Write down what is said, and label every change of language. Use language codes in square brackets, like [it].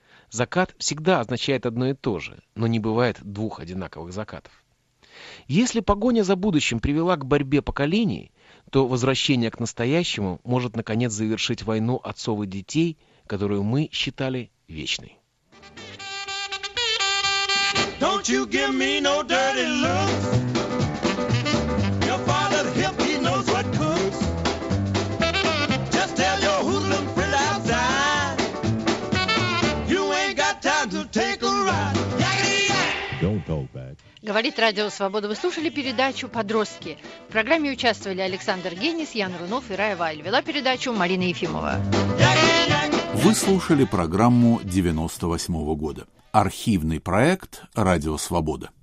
[ru] Закат всегда означает одно и то же, но не бывает двух одинаковых закатов. Если погоня за будущим привела к борьбе поколений, то возвращение к настоящему может наконец завершить войну отцов и детей, которую мы считали вечной. [en] Don't you give me no dirty looks. Your father, the hip, he knows what cooks. Just tell your hoodlum friend outside. You ain't got time to take a ride. [ru] Говорит Радио Свобода. Вы слушали передачу «Подростки». В программе участвовали Александр Генис, Ян Рунов и Рая Вайль. Вела передачу Марина Ефимова. Вы слушали программу 98-го года. Архивный проект «Радио Свобода».